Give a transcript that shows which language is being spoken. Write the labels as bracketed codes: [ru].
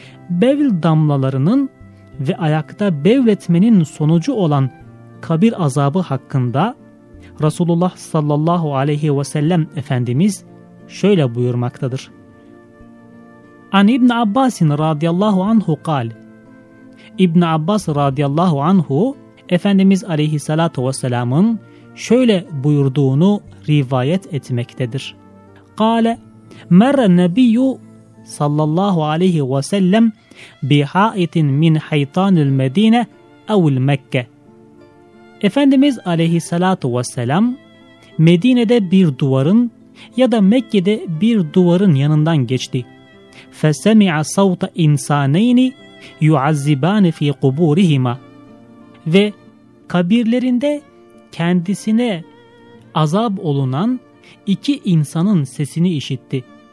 [tr] Bevül damlalarının ve ayakta bevletmenin sonucu olan kabir azabı hakkında Resulullah sallallahu aleyhi ve sellem Efendimiz şöyle buyurmaktadır. An İbn Abbas radıyallahu anhu قال. İbn Abbas radıyallahu anhu Efendimiz aleyhissalatu vesselamın şöyle buyurduğunu rivayet etmektedir. [ar] قال مر النبي صلى الله عليه وسلم بحائط من حيطان المدينة أو المكة. [tr] Efendimiz aleyhissalatu vesselam Medine'de bir duvarın ya da Mekke'de bir duvarın yanından geçti. [ar] فَسَمِعَ صَوْتَ اِنْسَانَيْنِ يُعَزِّبَانِ فِي قُبُورِهِمَا [tr] Ve kabirlerinde kendisine azap olunan iki insanın sesini işitti.